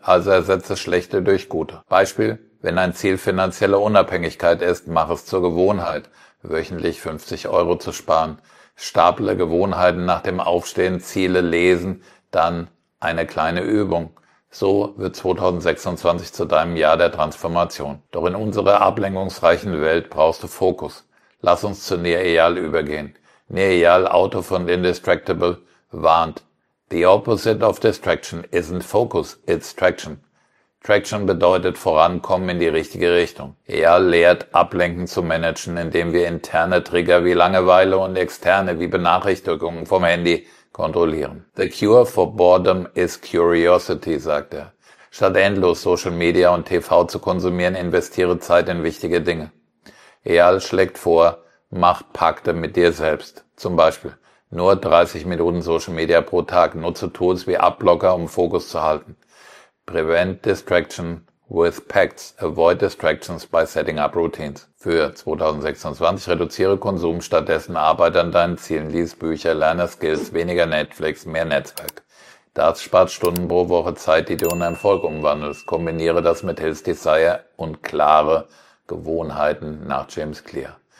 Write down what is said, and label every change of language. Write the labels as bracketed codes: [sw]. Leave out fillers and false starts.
[de] Also ersetze schlechte durch gute. Beispiel, wenn dein Ziel finanzielle Unabhängigkeit ist, mach es zur Gewohnheit, wöchentlich 50 Euro zu sparen. Staple Gewohnheiten nach dem Aufstehen, Ziele lesen, dann eine kleine Übung. So wird 2026 zu deinem Jahr der Transformation. Doch in unserer ablenkungsreichen Welt brauchst du Fokus. Lass uns zu Nir Eyal übergehen. Nir Eyal, Autor von Indistractable, warnt, [en] the opposite of distraction isn't focus, it's traction. [de] Traction bedeutet vorankommen in die richtige Richtung. Eyal lehrt, Ablenken zu managen, indem wir interne Trigger wie Langeweile und externe wie Benachrichtigungen vom Handy kontrollieren. [en] The cure for boredom is curiosity, [de] sagt er. Statt endlos Social Media und TV zu konsumieren, investiere Zeit in wichtige Dinge. Eyal schlägt vor, mach Pakte mit dir selbst. Zum Beispiel, nur 30 Minuten Social Media pro Tag. Nutze Tools wie Ablocker, um Fokus zu halten. [en] Prevent Distraction with Pacts. Avoid distractions by setting up routines. [de] Für 2026 reduziere Konsum, stattdessen arbeite an deinen Zielen, lies Bücher, lerne Skills, weniger Netflix, mehr Netzwerk. Das spart Stunden pro Woche Zeit, die du in einen Erfolg umwandelst. Kombiniere das mit Health Desire und klare Gewohnheiten nach James Clear.